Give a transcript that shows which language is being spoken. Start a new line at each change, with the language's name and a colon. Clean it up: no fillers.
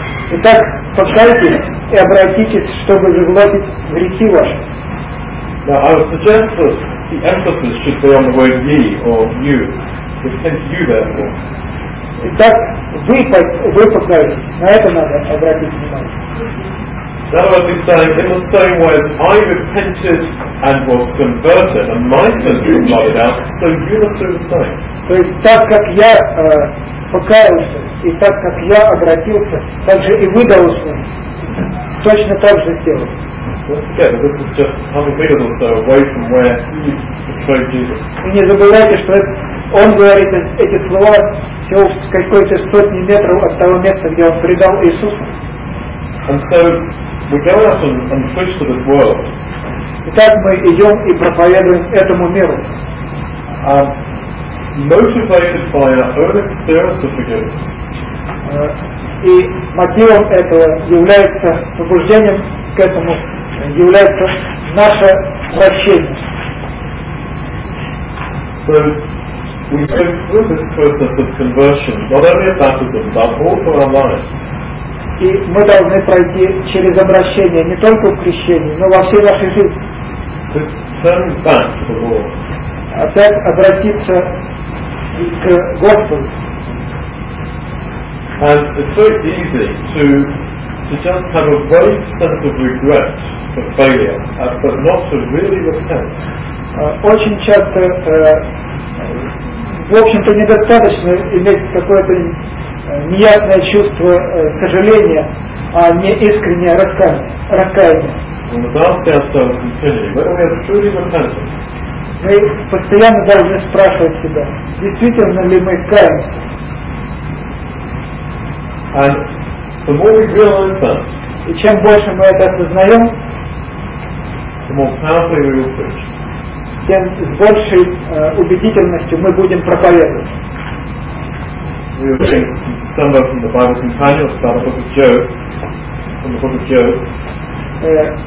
Russian: Итак, покайтесь и обратитесь, чтобы загладить грехи ваши.
English: Now, I would suggest that the emphasis should be on the word ye, or you. Repent you, therefore.
Russian: Итак, вы покаялись. На это надо обратить внимание.
English: That would be saying, in the same way as I repented and was converted, and my sins were blotted out, so you must do the same.
Russian: То есть, так как я покаялся, и так как я обратился, так же и вы должны точно так же сделать.
English: This is just half a minute or so away from where you betrayed Jesus.
Russian: И не забывайте, что он говорит эти слова всего в какой-то сотни метров от того места, где он предал Иисуса.
English: And so we go out and preach to this world.
Russian: Итак, мы идем и проповедуем этому миру.
English: Motivated by our own experience of forgiveness.
Russian: И мотивом этого является побуждением к этому является наше прощение.
English: So we go through this process of conversion, not only at baptism, but all through our lives.
Russian: И мы должны пройти через обращение не только в крещении, но во всей нашей жизни.
English: This turning back to the Lord.
Russian: Опять обратиться к Господу.
English: And it's so easy to just have a vague sense of regret for failure, but not to really repent.
Russian: Очень часто, в общем-то, недостаточно иметь какое-то неясное чувство сожаления, а не искреннее раскаяние.
English: We must ask ourselves continually whether we are truly repentant.
Russian: Мы постоянно должны спрашивать себя, действительно ли мы каемся.
English: And the more we realize that,
Russian: и чем больше мы это осознаем,
English: the more powerfully we will preach.
Russian: Тем с большей убедительностью мы будем проповедовать.
English: We were reading in December from the Bible Companion about the book of Job, from the book of Job.